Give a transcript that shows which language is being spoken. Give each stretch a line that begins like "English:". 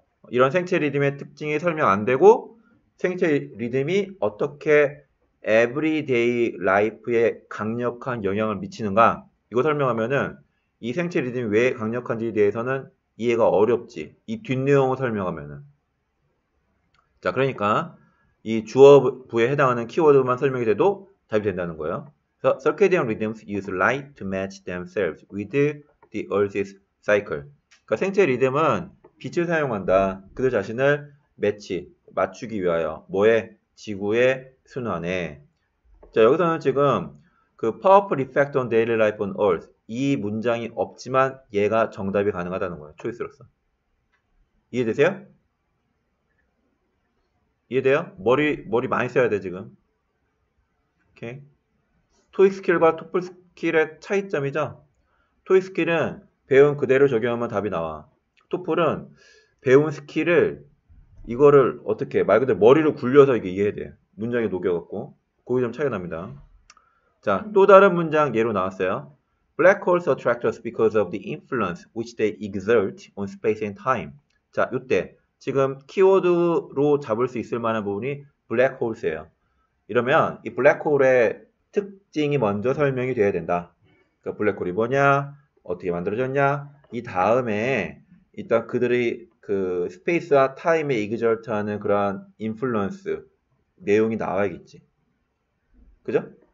Korean: 이런 생체 리듬의 특징이 설명 안 되고 생체 리듬이 어떻게 에브리데이 라이프에 강력한 영향을 미치는가? 이거 설명하면은 이 생체 리듬이 왜 강력한지에 대해서는 이해가 어렵지. 이 뒷내용을 설명하면은. 자, 그러니까 이 주어부에 해당하는 키워드만 설명이 돼도 답이 된다는 거예요.
English: 그래서 circadian rhythms use light to match themselves with the Earth's cycle.
Korean: 그러니까 생체 리듬은 빛을 사용한다. 그들 자신을 매치. 맞추기 위하여 뭐에 지구의 순환에 자 여기서는 지금 그
English: powerful effect on daily life on earth
Korean: 이 문장이 없지만 얘가 정답이 가능하다는 거예요 초이스로서 이해되세요? 이해돼요? 머리 많이 써야 돼 지금 오케이 토익스킬과 토플스킬의 차이점이죠 토익스킬은 배운 그대로 적용하면 답이 나와 토플은 배운 스킬을 이거를 어떻게 말 그대로 머리를 굴려서 이게 이해돼. 문장에 녹여갖고 거기 좀 차이가 납니다. 자, 또 다른 문장 예로 나왔어요.
English: Black holes attract us because of the influence which they exert on space and time.
Korean: 자, 이때 지금 키워드로 잡을 수 있을 만한 부분이 블랙홀스예요. 이러면 이 블랙홀의 특징이 먼저 설명이 되어야 된다. 그 블랙홀이 뭐냐? 어떻게 만들어졌냐? 이 다음에 일단 그들이 그 스페이스와 타임의 이그절트하는 그러한 인플루언스 내용이 나와야겠지. 그죠?